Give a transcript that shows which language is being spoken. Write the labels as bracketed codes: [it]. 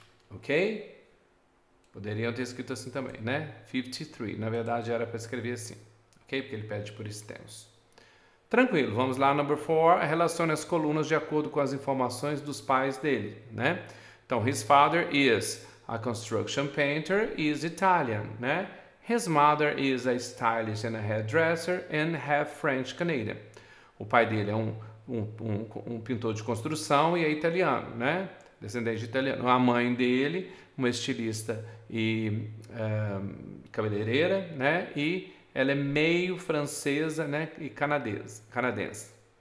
[pt] Ok? Poderiam ter escrito assim também, né? 53. Na verdade, era para escrever assim, ok? Porque ele pede por extenso. Tranquilo, vamos lá. [en] Number 4, [pt] relaciona as colunas de acordo com as informações dos pais dele, né? Então, [en] his father is a construction painter, is Italian, né? His mother is a stylist and a hairdresser and half French Canadian. [pt] O pai dele é um pintor de construção e é italiano, né? Descendente de italiano. A mãe dele, uma estilista e cabeleireira, né? E ela é meio francesa, né? E canadense.